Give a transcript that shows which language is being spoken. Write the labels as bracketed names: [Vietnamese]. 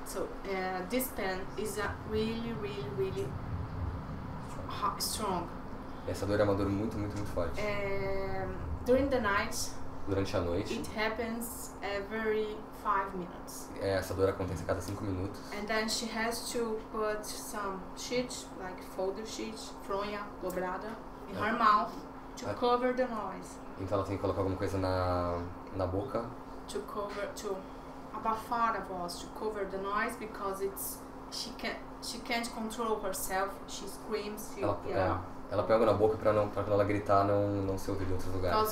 [English] So this pain is a really, really, really strong. [Portuguese] Essa dor é uma dor muito, muito, muito forte. [English] During the night. [Portuguese] Durante a noite. [English] It happens every 5 minutes. [Portuguese] Essa dor acontece a cada 5 minutes. [English] And then she has to put some sheets, like folded sheets, [Portuguese] fronha dobrada, [English] in her mouth to cover the noise. [Portuguese] Então ela tem que colocar alguma coisa na boca. [English] To cover, to [Portuguese] abafar a voz, [English] to cover the noise, because it's she can't control herself. She screams. [Portuguese] Ela pega na boca para quando ela gritar não ser ouvida em outros lugares.